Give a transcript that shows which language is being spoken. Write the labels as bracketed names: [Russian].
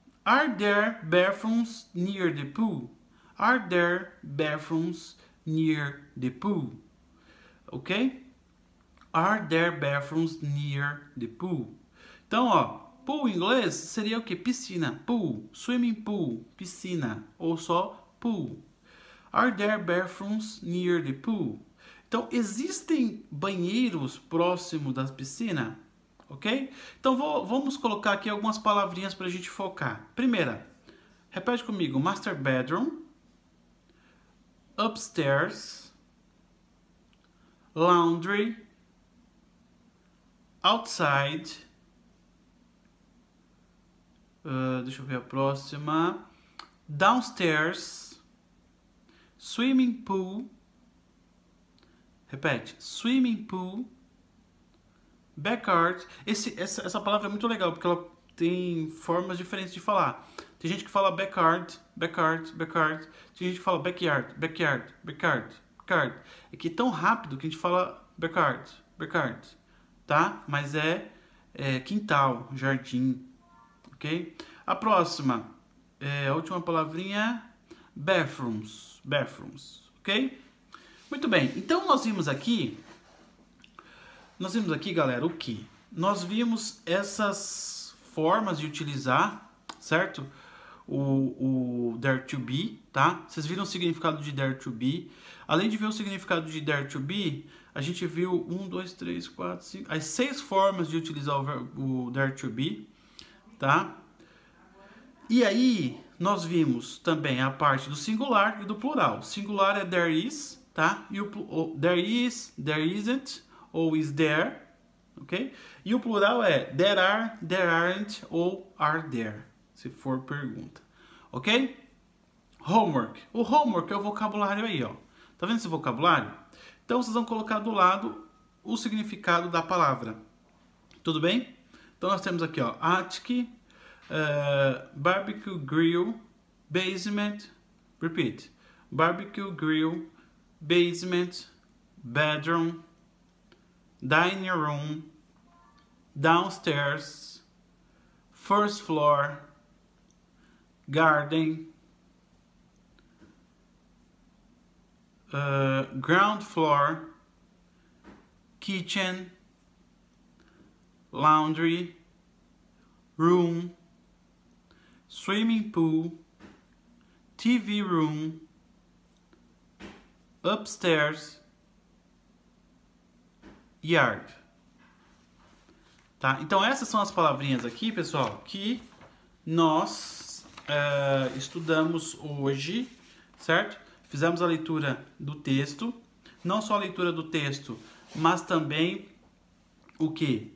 [English] Are there bathrooms near the pool? Are there bathrooms near the pool? Ok? Are there bathrooms near the pool? [Portuguese] Então, ó, pool em inglês seria o quê? Piscina, pool, swimming pool, piscina, ou só pool. [English] Are there bathrooms near the pool? [Portuguese] Então, existem banheiros próximo da piscina? Ok? Então, vamos colocar aqui algumas palavrinhas para a gente focar. Primeira, repete comigo: [English] master bedroom, upstairs, laundry, outside. [Portuguese] Deixa eu ver a próxima. [English] Downstairs, swimming pool. [Portuguese] Repete, [English] swimming pool, backyard. [Portuguese] Essa palavra é muito legal porque ela tem formas diferentes de falar. Tem gente que fala backyard, backyard, backyard. Tem gente que fala backyard, backyard, backyard, backyard. É que é tão rápido que a gente fala backyard, backyard, tá? Mas é quintal, jardim, ok? A próxima, a última palavrinha, bathrooms, bathrooms, ok? Muito bem, então nós vimos aqui, galera, o quê? Nós vimos essas formas de utilizar, certo? O there to be, tá? Vocês viram o significado de there to be? Além de ver o significado de there to be, a gente viu um, dois, três, quatro, cinco, as seis formas de utilizar o there to be, tá? E aí, nós vimos também a parte do singular e do plural. Singular é there is. Tá? E o there is, there isn't, ou is there, ok? E o plural é there are, there aren't, ou are there, se for pergunta, ok? Homework. O homework é o vocabulário aí, ó. Tá vendo esse vocabulário? Então vocês vão colocar do lado o significado da palavra. Tudo bem? Então nós temos aqui, ó, [English] attic, barbecue grill, basement, repeat, barbecue grill, basement, bedroom, dining room, downstairs, first floor, garden, ground floor, kitchen, laundry, room, swimming pool, TV room, upstairs, yard. [Portuguese] Tá? Então essas são as palavrinhas aqui, pessoal, que nós estudamos hoje, certo? Fizemos a leitura do texto, não só a leitura do texto, mas também o quê?